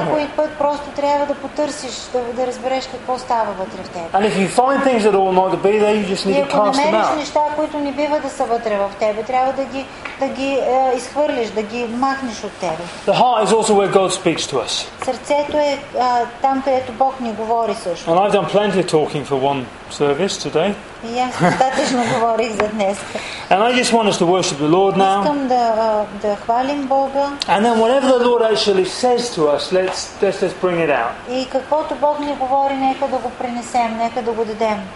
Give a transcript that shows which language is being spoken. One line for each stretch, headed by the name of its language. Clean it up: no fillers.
Bulgarian: Някой път просто трябва да потърсиш, да разбереш какво става вътре в теб.
English: And if you find things that all not to be there, you just need to cast them out.
Bulgarian: И ако намериш неща, които не бива да са вътре в тебе, трябва да ги изхвърлиш, да ги махнеш.
English: The heart is also where God speaks to us.
Bulgarian: Сърцето е там, където Бог ни говори също.
English: And I've done plenty of talking for one service today. And I just want us to worship the Lord now.
Bulgarian: Искам да хвалим Бога.
English: And then whatever the Lord actually says to us, let's just bring it out.
Bulgarian: И каквото Бог ни говори, нека да го принесем, нека да го дадем.